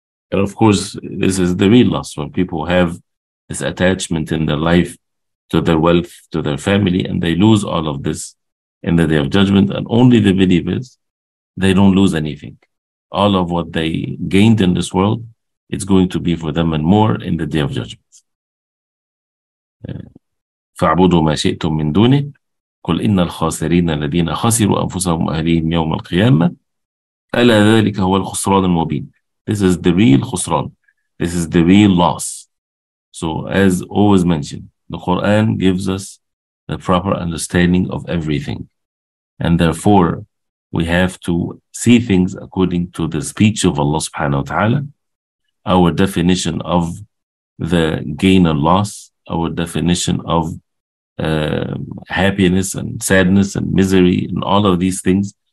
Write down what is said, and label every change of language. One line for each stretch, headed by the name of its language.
English: And of course, this is the real loss when people have this attachment in their life to their wealth, to their family, and they lose all of this in the day of judgment. And only the believers, they don't lose anything. All of what they gained in this world, it's going to be for them and more in the day of judgment.
Arabic: فَعْبُدُوا مَا شِئْتُمْ مِنْ دُونِي قُلْ إِنَّ الْخَاسِرِينَ الَّذِينَ خَسِرُوا أَنفُسَهُمْ أَهْلِهِمْ يَوْمَ الْقِيَامَةِ أَلَا ذَلِكَ هُوَ الْخُسْرَانُ الْمُبِينُ
English: This is the real khusran. This is the real loss. So as always mentioned, the Quran gives us the proper understanding of everything. And therefore, we have to see things according to the speech of Allah subhanahu wa ta'ala, our definition of the gain and loss, our definition of happiness and sadness and misery and all of these things.